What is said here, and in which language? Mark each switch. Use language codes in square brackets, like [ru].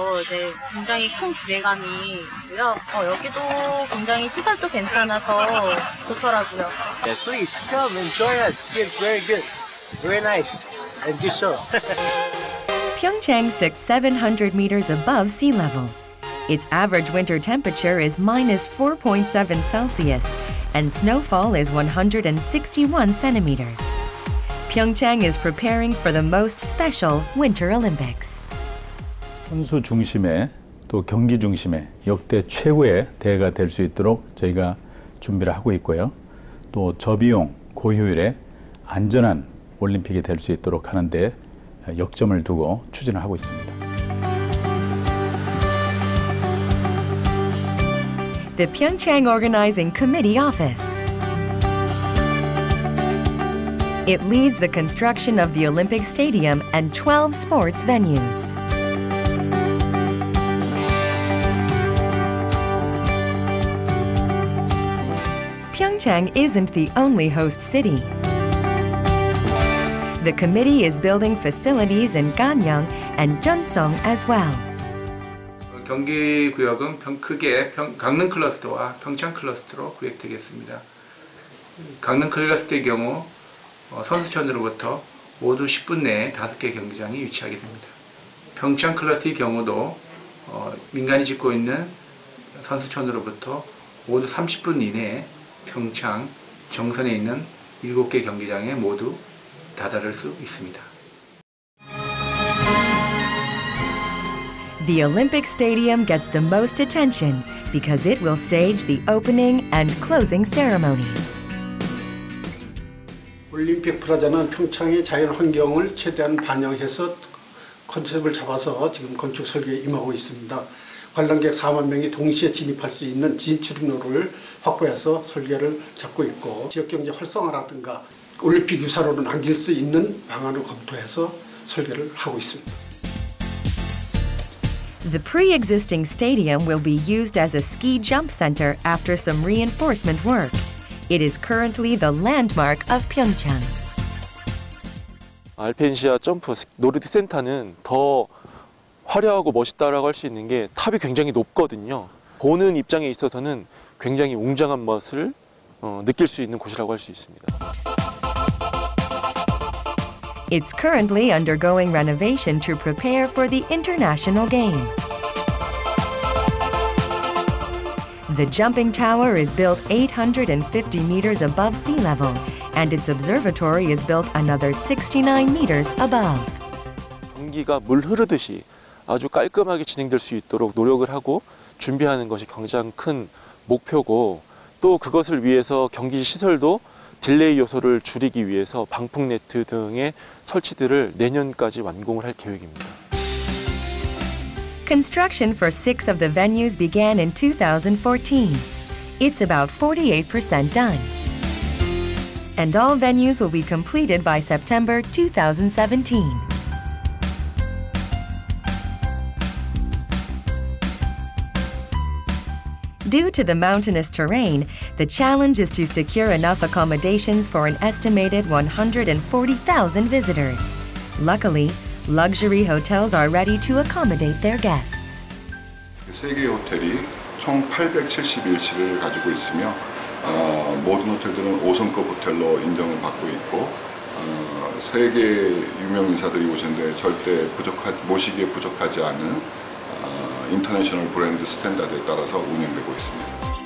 [ko] 네, 굉장히 큰 기대감이고요. 여기도 굉장히 시설도 괜찮아서 좋더라고요. [en] Yeah, please come and join us. It's very good, very nice, and you so. Pyeongchang sits 700 meters above sea level. Its average winter temperature is -4.7 Celsius, and snowfall is 161 centimeters. Pyeongchang is preparing for the most special Winter Olympics. [ko] 선수 중심의 또 경기 중심의 역대 최고의 대회가 될 수 있도록 저희가 준비를 하고 있고요. 또 저비용, 고효율의 안전한 올림픽이 될 수 있도록 하는 데 역점을 두고 추진을 하고 있습니다. [en] The Pyeongchang Organizing Committee Office. It leads the construction of the Olympic Stadium and 12 sports venues. Pyeongchang isn't the only host city. The committee is building facilities in Ganyang and Jeonseong as well. [ko] 경기 구역은 크게 강릉 클러스터와 평창 클러스터로 구획되겠습니다. 강릉 클러스터의 경우 선수촌으로부터 모두 10분 내에 5개 경기장이 위치하게 됩니다. 평창 클러스터의 경우도 민간이 짓고 있는 선수촌으로부터 모두 30분 이내에 평창 정선에 있는 7개 경기장에 모두 다다를 수 있습니다. [en] The Olympic Stadium gets the most attention because it will stage the opening and closing ceremonies. [ko] 올림픽 플라자는 평창의 자연환경을 최대한 반영해서 컨셉을 잡아서 지금 건축 설계에 임하고 있습니다. 관람객 4만 명이 동시에 진입할 수 있는 진출입로를 확보해서 설계를 잡고 있고 지역경제 활성화라든가 올림픽 유사로를 남길 수 있는 방안을 검토해서 설계를 하고 있습니다. [en] The pre-existing stadium will be used as a ski jump center after some reinforcement work. It is currently the landmark of Pyeongchang. [ko] 알펜시아 점프 노르딕 센터는 더 화려하고 멋있다라고 할 수 있는 게 탑이 굉장히 높거든요. 보는 입장에 있어서는 굉장히 웅장한 멋을 느낄 수 있는 곳이라고 할 수 있습니다. [en] It's currently undergoing renovation to prepare for the international game. The jumping tower is built 850 meters above sea level, and its observatory is built another 69 meters above. [ko] 경기가 물 흐르듯이 아주 깔끔하게 진행될 수 있도록 노력을 하고 준비하는 것이 가장 큰 목표고 또 그것을 위해서 경기 시설도 딜레이 요소를 줄이기 위해서 방풍 네트 등의 설치들을 내년까지 완공을 할 계획입니다. [en] Construction for six of the venues began in 2014. It's about 48% done. And all venues will be completed by September 2017. Due to the mountainous terrain, the challenge is to secure enough accommodations for an estimated 140,000 visitors. Luckily, luxury hotels are ready to accommodate their guests. [ko] 세계 호텔이 총 871실을 가지고 있으며 모든 호텔들은 5성급 호텔로 인정을 받고 있고 세계 유명 인사들이 오신데 절대 모시기에 부족하지 않은 인터내셔널 브랜드 스탠다드에 따라서 운영되고 있습니다.